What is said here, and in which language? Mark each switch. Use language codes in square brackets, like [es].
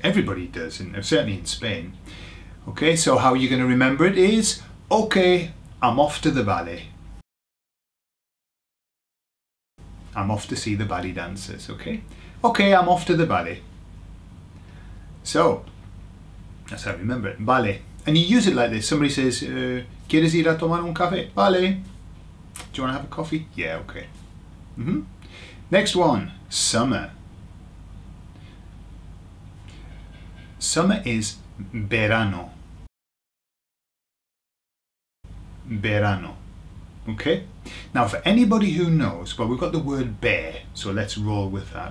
[en] Everybody does, and certainly in Spain. Okay, so how you're going to remember it is, okay, I'm off to the ballet. I'm off to see the ballet dancers, okay? Okay, I'm off to the ballet. So, that's how I remember it, ballet. And you use it like this. Somebody says, [es] ¿quieres ir a tomar un café? Vale. [en] Do you want to have a coffee? Yeah, okay. Mm-hmm. Next one, summer. Summer is verano. [es] Verano. [en] Okay, now for anybody who knows, well, we've got the word ver, so let's roll with that.